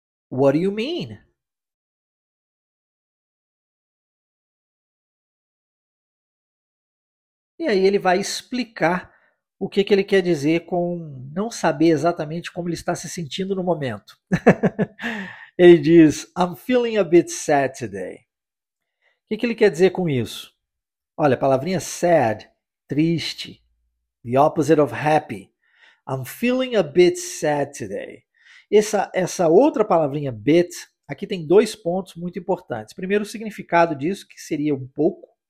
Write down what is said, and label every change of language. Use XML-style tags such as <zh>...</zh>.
<en>What do you mean?</en> <pt>E aí ele vai explicar o que que ele quer dizer com não saber exatamente como ele está se sentindo no momento. Ele diz,</pt> <en>I'm feeling a bit sad today.</en> <pt>O que que ele quer dizer com isso? Olha, a palavrinha sad, triste,</pt> <en>the opposite of happy. I'm feeling a bit sad today.</en> <pt>Essa outra palavrinha, bit, aqui tem dois pontos muito importantes. Primeiro, o significado disso, que seria um pouco.</pt>